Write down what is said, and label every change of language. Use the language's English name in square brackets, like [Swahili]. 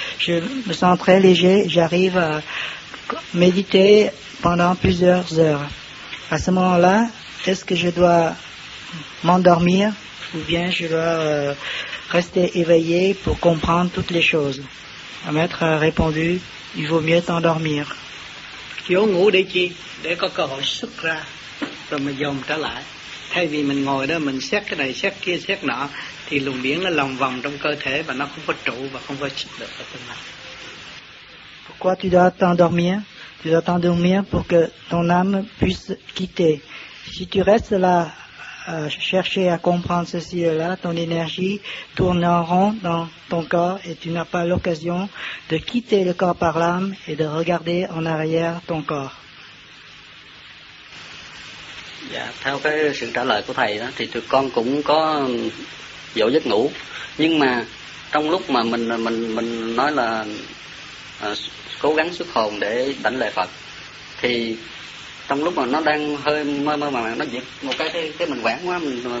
[French] Je me sens très léger, j'arrive à méditer pendant plusieurs heures. À ce moment-là, est-ce que je dois m'endormir ou bien je dois rester éveillé pour comprendre toutes les choses? Le maître a répondu, il vaut mieux t'endormir. Tu vas [Vietnamese] ngủ để chi? Để có cơ hội xuất ra, rồi mình dồn trở lại. Thay vì mình ngồi đó, mình xét cái này, xét kia, xét nọ, thì luồng điển nó lòng vòng trong cơ thể và nó không có trụ và không có xuất được ở trên mặt. [French] Pourquoi tu dois t'endormir? Tu dois t'endormir pour que ton âme puisse quitter. Si tu restes là à chercher à comprendre ceci et là, ton énergie tourne en rond dans ton corps et tu n'as pas l'occasion de quitter le corps par l'âme et de regarder en arrière ton corps. [Vietnamese] Dạ, theo cái sự trả lời của thầy đó, thì tụi con cũng có dỗ giấc ngủ, nhưng mà trong lúc mà mình nói là cố gắng xuất hồn để đảnh lễ Phật, thì trong lúc mà nó đang hơi mơ mơ màng, nó giật một cái mình quản quá, mình